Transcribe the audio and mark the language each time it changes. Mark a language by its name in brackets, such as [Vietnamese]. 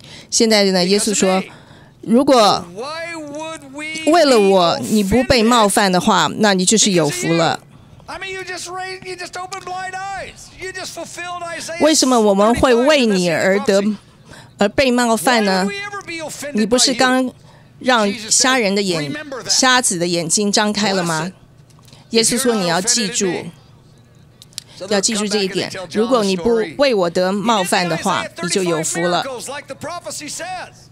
[Chinese] 现在呢？耶稣说：“如果为了我你不被冒犯的话，那你就是有福了。” [English] I mean, you just raised, you just opened blind eyes. You just fulfilled Isaiah. [Chinese] 为什么我们会为你而得而被冒犯呢？你不是刚让瞎人的眼瞎子的眼睛张开了吗？耶稣说：“你要记住，要记住这一点。如果你不为我得冒犯的话，你就有福了。”